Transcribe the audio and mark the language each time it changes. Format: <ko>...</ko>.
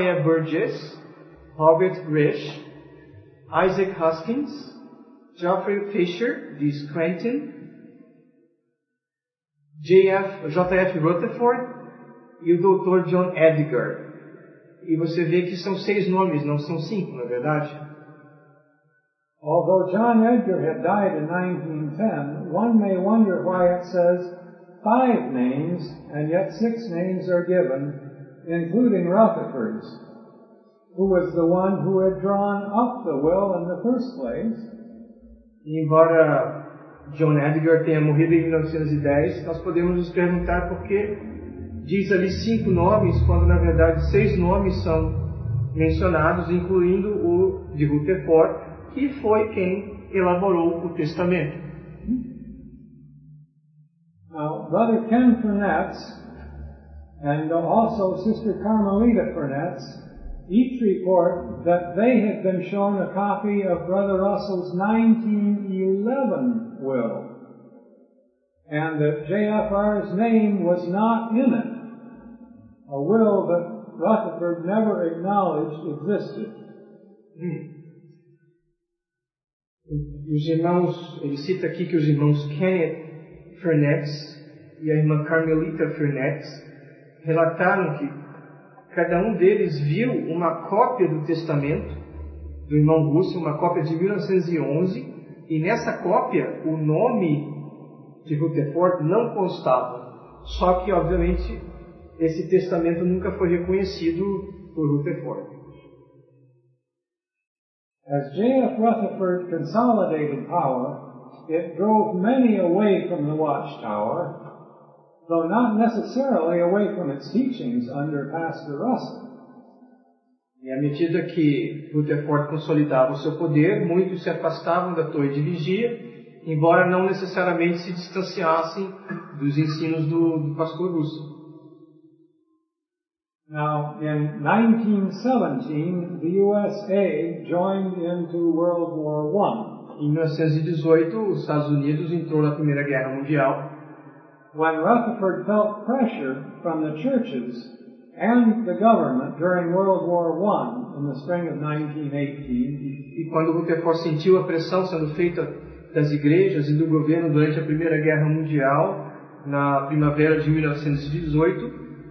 <pt>E. Burgess, Robert Risch, Isaac Hoskins, Geoffrey Fisher, de Scranton, J.F. Rutherford e o Dr. John Edgar. E você vê que são seis nomes, não são cinco, não é verdade?</pt> <en>Although John Edgar had died in 1910, one may wonder why it says five names, and yet six names are given, including Rutherford's, who was the one who had drawn up the will in the first place.</en> <pt>Embora John Edgar tenha morrido em 1910, nós podemos nos perguntar por que diz ali cinco nomes, quando na verdade seis nomes são mencionados, incluindo o de Rutherford, que foi quem elaborou o testamento.</pt> <en>Now, Brother Ken Furnetz and also Sister Carmelita Furnetz each report that they have been shown a copy of Brother Russell's 1911 will, and that J.F.R.'s name was not in it, a will that Rutherford never acknowledged existed.</en> <pt>Os irmãos, ele cita aqui que os irmãos Kenneth Furnetz e a irmã Carmelita Furnetz relataram que cada um deles viu uma cópia do testamento do irmão Russell, uma cópia de 1911, e nessa cópia o nome de Rutherford não constava. Só que, obviamente, esse testamento nunca foi reconhecido por Rutherford.</pt> <en>As J.F. Rutherford consolidated power, it drove many away from the Watchtower, though not necessarily away from its teachings under Pastor Russell.</en> <pt>E à medida que Rutherford consolidava o seu poder, muitos se afastavam da Torre de Vigia, embora não necessariamente se distanciassem dos ensinos do Pastor Russell.</pt> <en>Now, in 1917, the USA joined into World War I.</en> <pt>Em 1918, os Estados Unidos entrou na Primeira Guerra Mundial.</pt> <en>When Rutherford felt pressure from the churches and the government during World War I in the spring of 1918,</en> <pt>e quando Rutherford sentiu a pressão sendo feita das igrejas e do governo durante a Primeira Guerra Mundial, na primavera de 1918,</pt>